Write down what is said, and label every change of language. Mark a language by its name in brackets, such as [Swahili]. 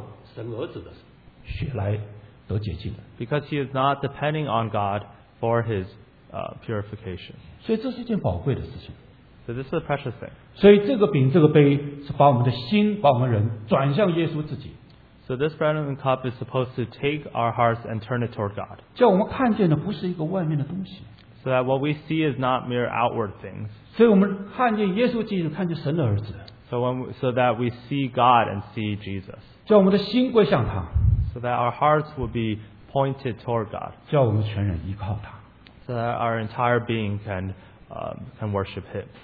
[Chinese] 因为他不是靠着神儿子的血来得洁净的。 [English] Because he is not depending on God for his purification. [Chinese] 所以这是一件宝贵的事情。 [English] So this is a precious thing. [Chinese] 所以这个饼这个杯是把我们的心把我们人转向耶稣自己。 [English] So this bread and cup is supposed to take our hearts and turn it toward God. [Chinese] 叫我们看见的不是一个外面的东西。 [English] So that what we see is not mere outward things. [Chinese] 所以我们看见耶稣基督，看见神的儿子。 [English] So that we see God and see Jesus. [Chinese] 叫我们的心归向他。 [English] So that our hearts will be pointed toward God. [Chinese] 叫我们全人依靠他。 [English] So that our entire being can worship Him.